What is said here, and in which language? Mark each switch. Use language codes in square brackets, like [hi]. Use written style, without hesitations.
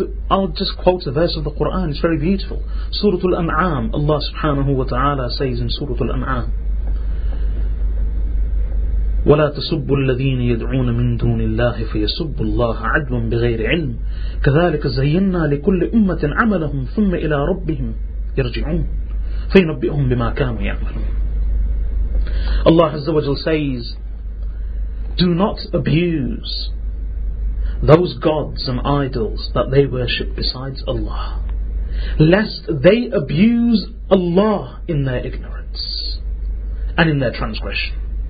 [en] I'll just quote a verse of the Quran, it's very beautiful. Suratul An'am, Allah subhanahu wa ta'ala says in Suratul An'am, [ar] ولا تسبوا الذين يدعون من دون الله فيسبوا الله عدوا بغير علم كذلك زينا لكل أمة عملهم ثم إلى ربهم يرجعون فينبئهم بما كانوا يعملون. [en] Allah Azza wa Jal says, do not abuse those gods and idols that they worship besides Allah, lest they abuse Allah in their ignorance and in their transgression.